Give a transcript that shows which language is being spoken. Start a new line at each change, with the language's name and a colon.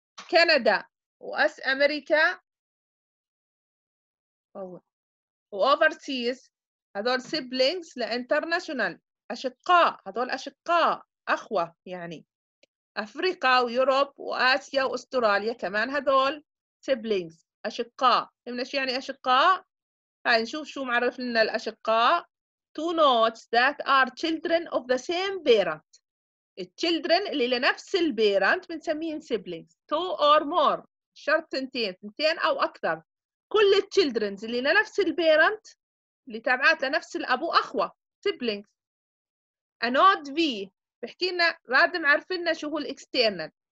Arabic: كندا و US America و overseas هذول siblings لانترناشونال، أشقاء، هذول أشقاء، أخوة يعني. أفريقيا ويوروب وآسيا وأستراليا كمان هذول siblings أشقاء. فهمنا شو يعني أشقاء؟ هاي نشوف شو معرف لنا الأشقاء.
English: Two nodes that are children of the same parent.
Arabic: Children اللي لنفس البيرنت بنسميهم siblings.
English: Two or more،
Arabic: شرط تنتين، تنتين أو أكثر. كل children اللي لنفس البيرنت اللي تابعات لنفس الأبو أخوة siblings.
English: A node V
Arabic: بحكينا رادم عارفنا شو هو الإكسترنال.